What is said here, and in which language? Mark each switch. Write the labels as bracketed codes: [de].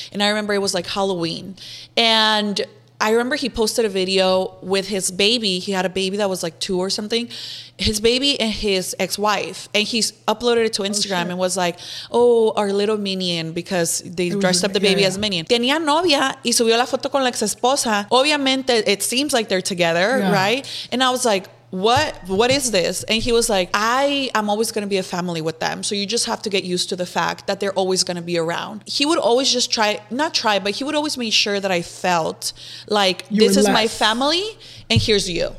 [en] And I remember it was like Halloween. And I remember he posted a video with his baby. He had a baby that was like two or something. His baby and his ex-wife. And he's uploaded it to Instagram and was like, oh, our little Minion, because they dressed up the baby as Minion. [es] Tenía novia y subió la foto con la exesposa. Obviamente, [en] it seems like they're together, right? And I was like, what is this? And he was like, I am always going to be a family with them. So you just have to get used to the fact that they're always going to be around. He would always just but he would always make sure that I felt like this is my family and here's you.